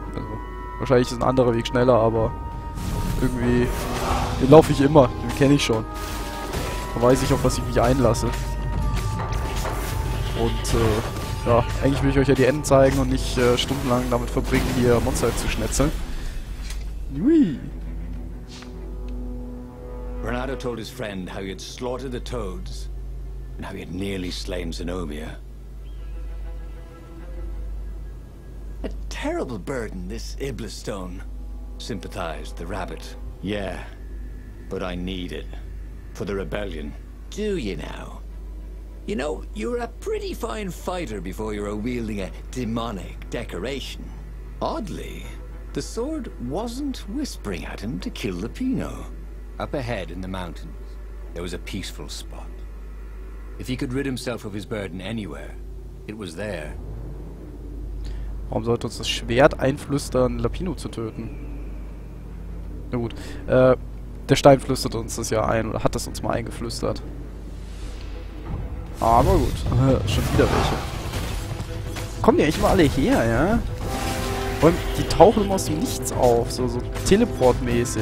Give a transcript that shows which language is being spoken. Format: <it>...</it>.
<de>Also, wahrscheinlich ist ein anderer Weg schneller, aber irgendwie, den laufe ich immer, den kenne ich schon. Da weiß ich, auf was ich mich einlasse. Und ja, eigentlich will ich euch ja die Enden zeigen und nicht stundenlang damit verbringen, hier Monster zu schnetzeln. Jui.</de> <en>Renato told his friend how he had slaughtered the toads and how he had nearly slain Zenobia. A terrible burden, this Iblis stone, sympathized the rabbit. Yeah, but I need it for the rebellion. Do you now? You know, you were a pretty fine fighter before you were wielding a demonic decoration. Oddly, the sword wasn't whispering at him to kill the Pino. Up ahead in the mountains, there was a peaceful spot. If he could rid himself of his burden anywhere, it was there.</en> <de>Warum sollte uns das Schwert einflüstern, Lapino zu töten? Na gut, der Stein flüstert uns das ja ein, oder hat das uns mal eingeflüstert. Aber gut, schon wieder welche. Kommen die eigentlich mal alle her, ja? Und die tauchen immer aus dem Nichts auf, so teleportmäßig.</de>